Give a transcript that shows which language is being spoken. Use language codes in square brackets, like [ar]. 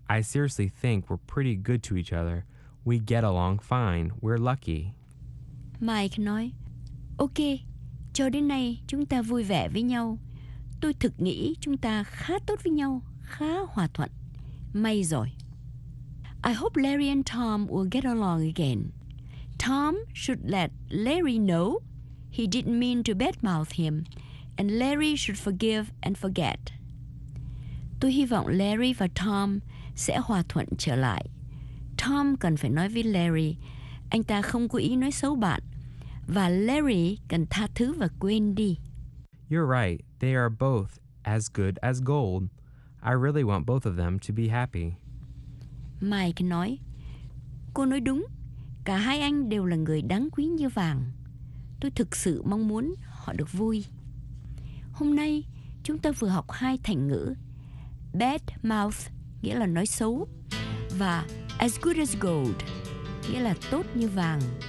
[en] I seriously think we're pretty good to each other. We get along fine. We're lucky. [vi] Mike nói, okay, cho đến nay chúng ta vui vẻ với nhau. Tôi thực nghĩ chúng ta khá tốt với nhau, khá hòa thuận. May rồi. [en] I hope Larry and Tom will get along again. Tom should let Larry know he didn't mean to badmouth him. And Larry should forgive and forget. [vi] Tôi hy vọng Larry và Tom sẽ hòa thuận trở lại. Tom cần phải nói với Larry, anh ta không cố ý nói xấu bạn. Và Larry cần tha thứ và quên đi. [en] You're right. They are both as good as gold. I really want both of them to be happy. [vi] Mike nói, cô nói đúng. Cả hai anh đều là người đáng quý như vàng. Tôi thực sự mong muốn họ được vui. Hôm nay, chúng ta vừa học hai thành ngữ. Bad mouth, nghĩa là nói xấu. Và as good as gold, nghĩa là tốt như vàng.